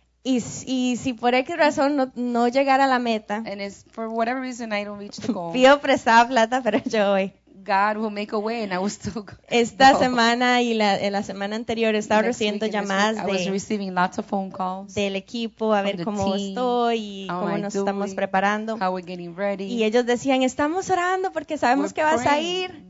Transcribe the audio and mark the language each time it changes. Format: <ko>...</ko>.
<es>Y si por X razón no llegara a la meta,</es> <en>and it's for whatever reason I don't reach the goal,</en> <es>pido prestada plata, pero yo voy.</es> <en>God will make a way, and I will still go.</en> <es>Esta semana y la semana anterior estaba recibiendo llamadas del equipo a ver cómo estoy y cómo nos estamos preparando.</es> <en>How we're getting ready.</en> <es>Y ellos decían, estamos orando porque sabemos que vas a ir.</es>